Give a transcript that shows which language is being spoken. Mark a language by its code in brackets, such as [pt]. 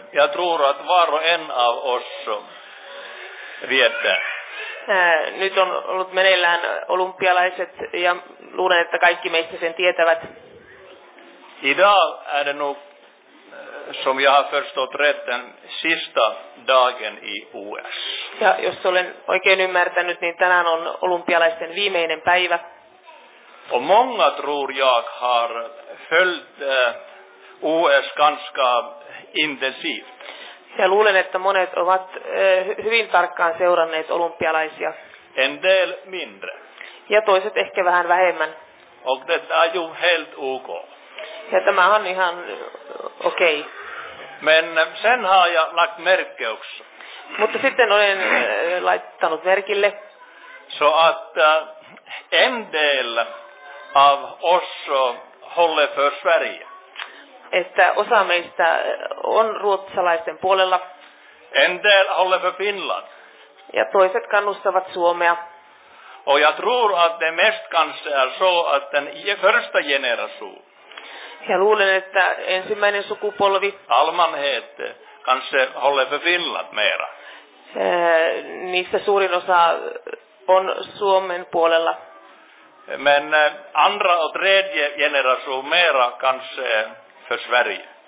[sv] Jag tror att var och en av oss vet. [fi] Nyt on ollut meneillään olympialaiset, ja luulen, että kaikki meistä sen tietävät. [sv] Idag är det nog, som jag har förstått rätt, den sista dagen i OS. [fi] Ja jos olen oikein ymmärtänyt, niin tänään on olympialaisten viimeinen päivä. [sv] Och många tror jag har följt OS ganska intensivt. [fi] Ja luulen, että monet ovat hyvin tarkkaan seuranneet olympialaisia. [sv] En del mindre. [fi] Ja toiset ehkä vähän vähemmän. [sv] Och det är ju helt ok. [fi] Ja tämä on ihan okei. [sv] Men sen har jag lagt märke också. [fi] Mutta sitten olen laittanut merkille. [sv] Så att en del av oss håller för Sverige. [fi] Että osa meistä on ruotsalaisten puolella. [sv] En del håller för Finland. [fi] Ja toiset kannustavat Suomea. [sv] Och jag tror att det mest kanske är så att den första generation. [fi] Ja luulen, että ensimmäinen sukupolvi. [sv] Allmänhet kanske håller för Finland mera. [fi] Niistä suurin osa on Suomen puolella. [sv] Men andra och tredje generation mera kanske för Sverige.